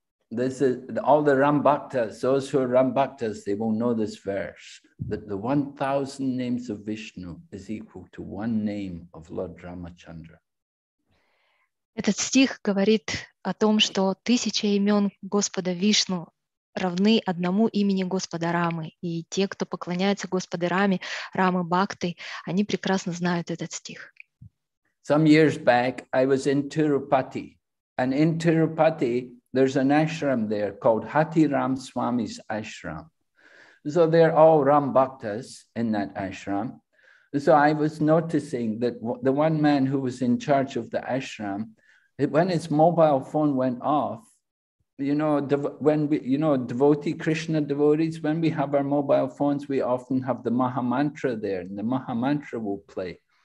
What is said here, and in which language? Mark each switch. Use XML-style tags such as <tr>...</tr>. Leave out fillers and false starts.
<en>This is all the Rambhaktas, those who are Rambhaktas, they will know this verse, that the 1,000 names of Vishnu is equal to one name of Lord Ramachandra.</en> <ru>Этот стих говорит о том, что 1,000 имен Господа Вишну равны одному имени Господа Рамы. И те, кто поклоняется Господу Раме, Рамы Бхакты, они прекрасно знают этот стих.</ru> <en>Some years back, I was in Tirupati. And in Tirupati, there's an ashram there called Hatiram Swami's Ashram. So they're all Ram Bhaktas in that ashram. So I was noticing that the one man who was in charge of the ashram, when his mobile phone went off, you know, devotee, Krishna devotees, when we have our mobile phones, we often have the Maha Mantra there, and the Maha Mantra will play.</en>